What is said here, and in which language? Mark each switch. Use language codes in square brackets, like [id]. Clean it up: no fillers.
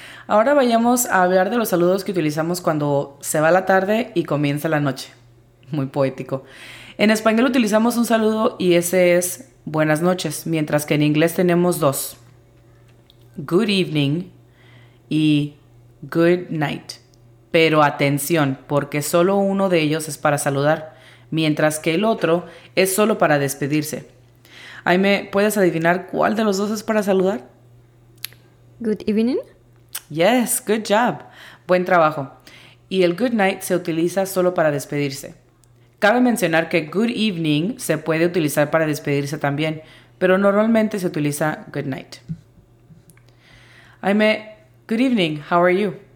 [es] Ahora vayamos a hablar de los saludos que utilizamos cuando se va la tarde y comienza la noche. Muy poético. En español utilizamos un saludo y ese es buenas noches, mientras que en inglés tenemos dos. [en] Good evening y good night. [es] Pero atención, porque solo uno de ellos es para saludar, mientras que el otro es solo para despedirse. Aime, ¿puedes adivinar cuál de los dos es para saludar? [en] Good evening. Yes, good job. [es] Buen trabajo. Y el good night se utiliza solo para despedirse. Cabe mencionar que good evening se puede utilizar para despedirse también, pero normalmente se utiliza good night. [en] Aime, good evening, how are you?